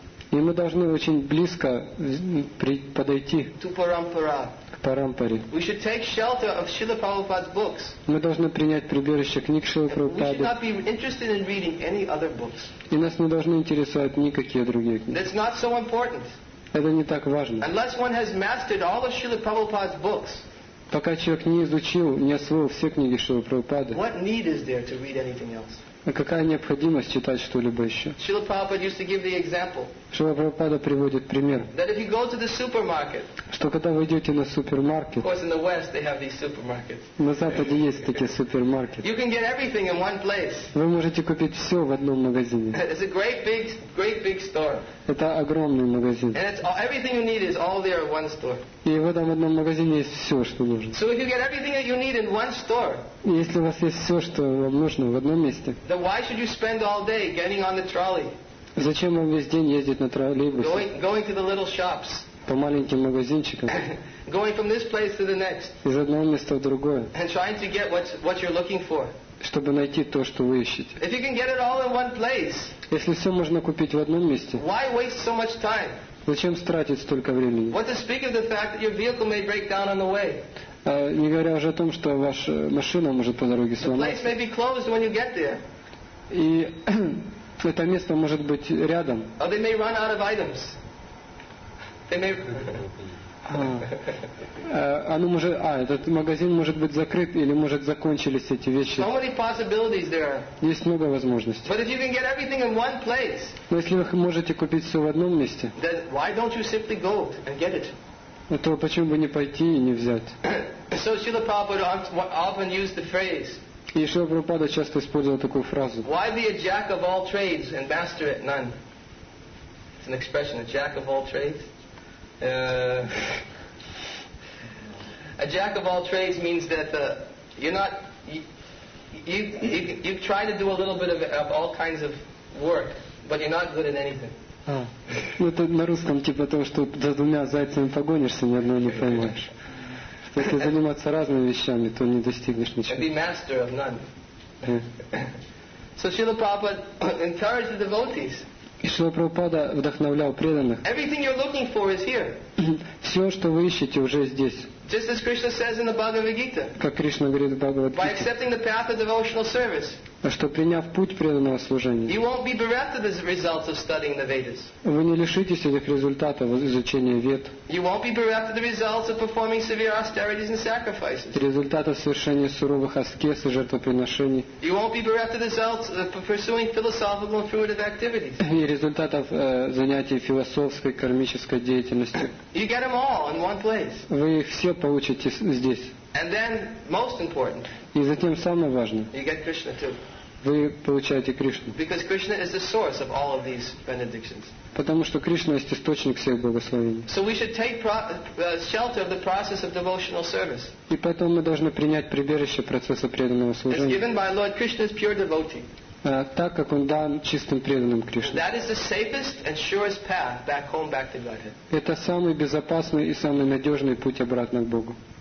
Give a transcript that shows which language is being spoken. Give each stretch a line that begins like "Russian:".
Russian: И мы должны очень близко подойти к парампаре.
English: We should take shelter of Srila Prabhupada's books.
Russian: Мы должны принять прибежище книг Шрилы Прабхупады.
English: We should not be interested in reading any other books.
Russian: И нас не должны интересовать никакие другие книги.
English: That's not so important.
Russian: Это не так важно.
English: Unless one has mastered all of Srila Prabhupada's books.
Russian: Пока человек не изучил, не освоил все книги Шрилы Прабхупады.
English: What need is there to read anything else?
Russian: А какая необходимость читать что-либо еще?
English: Srila Prabhupada used to give the example.
Russian: Шрила Прабхупада приводит пример.
English: That if you go to the supermarket.
Russian: Что когда вы идете на супермаркет.
English: Of course, in the West they have these supermarkets.
Russian: На Западе есть такие супермаркеты.
English: You can get everything in one place.
Russian: Вы можете купить все в одном магазине.
English: It's a great big store.
Russian: Это огромный магазин.
English: And it's everything you need is all there in one store.
Russian: И в этом одном магазине есть все, что нужно.
English: So if you get everything that you need in one store.
Russian: Если у вас есть все, что вам нужно, в одном месте.
English: Then why should you spend all day getting on the trolley?
Russian: Зачем вам весь день ездить на троллейбусе?
English: Going to the little shops.
Russian: По маленьким магазинчикам.
English: Going from this place to the next.
Russian: Из одного места в другое.
English: And trying to get what you're looking for.
Russian: Чтобы найти то, что вы ищете.
English: If you can get it all in one place.
Russian: Если все можно купить в одном месте.
English: Why waste so much time?
Russian: Зачем тратить столько времени?
English: What to speak of the fact that your vehicle may break down on the way.
Russian: Не говоря уже о том, что ваша машина может по дороге сломаться.
English: The place may be closed when you get there.
Russian: И это место может быть рядом.
English: Or they may run out of items. They may.
Russian: Этот магазин может быть закрыт или может закончились эти вещи.
English: So many possibilities there are.
Russian: Есть много возможностей.
English: But if you can get everything in one place.
Russian: Но если вы можете купить все в одном месте.
English: Then why don't you simply go and get it?
Russian: То почему бы не пойти и не взять?
English: So Srila Prabhupada often used the phrase.
Russian: И Шрила Прабхупада часто использовал такую фразу.
English: Why be a jack of all trades and master at none? It's an expression, a jack of all trades. A jack of all trades means that you're not you try to do a little bit of all kinds of work, but you're not good at anything.
Russian: Ну это на русском типа то, что за двумя зайцами погонишься, ни одного не поймаешь. Если заниматься разными вещами, то не достигнешь ничего.
English: Be master of none. Yeah. So Srila Prabhupada encouraged the devotees.
Russian: И Шрила Прабхупада вдохновлял преданных.
English: Everything you're looking for is here.
Russian: Все, что вы ищете, уже здесь.
English: Just as Krishna says in the Bhagavad Gita.
Russian: Как Кришна говорит в Бхагавад-гите.
English: By accepting the path of devotional service.
Russian: А что приняв путь преданного служения.
English: You won't be bereft of the results of studying the Vedas.
Russian: Вы не лишитесь этих результатов изучения Вед.
English: You won't be bereft of the results of performing severe austerities and sacrifices.
Russian: Результатов совершения суровых аскез и жертвоприношений.
English: You won't be bereft of the results of pursuing philosophical and fruitive activities.
Russian: И результатов занятий философской кармической деятельностью.
English: You get them all in one place.
Russian: Вы их все получите здесь.
English: And then, most important.
Russian: И затем самое важное.
English: You get Krishna too.
Russian: вы получаете Кришну.
English: Because Krishna is the source of all of these benedictions.
Russian: Потому что Кришна есть источник всех благословений.
English: So we should take shelter of the process of devotional service.
Russian: И поэтому мы должны принять прибежище процесса преданного служения.
English: It's given by Lord Krishna's pure devotee.
Russian: Так как он дан чистым преданным Кришне.
English: That is the safest and surest path back home, back to Godhead.
Russian: Это самый безопасный и самый надежный путь обратно к Богу.